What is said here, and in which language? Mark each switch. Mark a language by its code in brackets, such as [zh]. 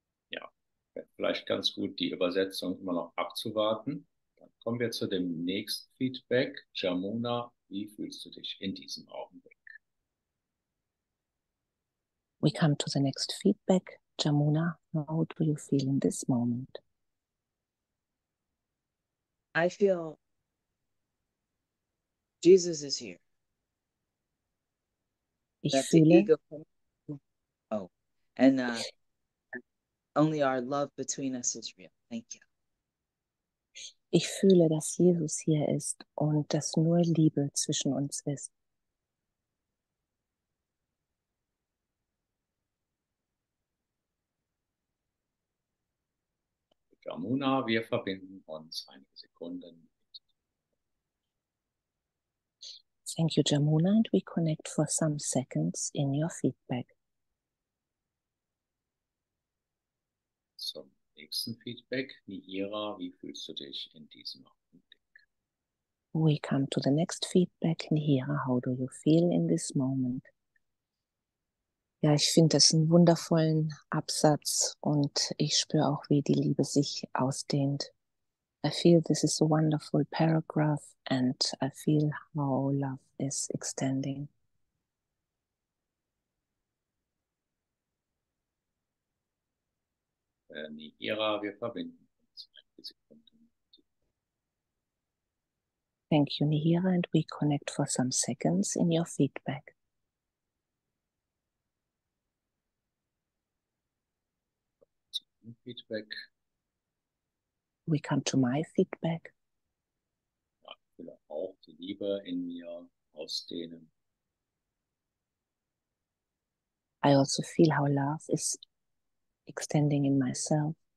[de] Ja, vielleicht ganz gut, die Übersetzung immer noch abzuwarten. Dann kommen wir zu dem nächsten Feedback. Jamuna, wie fühlst du dich in diesem Augenblick? [en] We come to the next feedback. Jamuna, how do you feel in this moment? I feel Jesus is here. Ich That's fühle. Ego. Oh, and only our love between us is real. Thank you. [de] Ich fühle, dass Jesus hier ist und dass nur Liebe zwischen uns ist. Jamuna, wir verbinden uns einige Sekunden. [en] Thank you, Jamuna, and we connect for some seconds in your feedback. [de] Zum nächsten Feedback. Nihira, wie fühlst du dich in diesem Augenblick? [en] We come to the next feedback. Nihira, how do you feel in this moment? [de] Ja, ich finde das einen wundervollen Absatz und ich spüre auch, wie die Liebe sich ausdehnt. [en] I feel this is a wonderful paragraph and I feel how love is extending. [de] Nihira, wir verbinden uns einige Sekunden. [en] Thank you, Nihira, and we connect for some seconds in your feedback. Feedback. We come to my feedback. [de] Ja, ich will auch die Liebe in mir ausdehnen. [en] I also feel how love is extending in myself.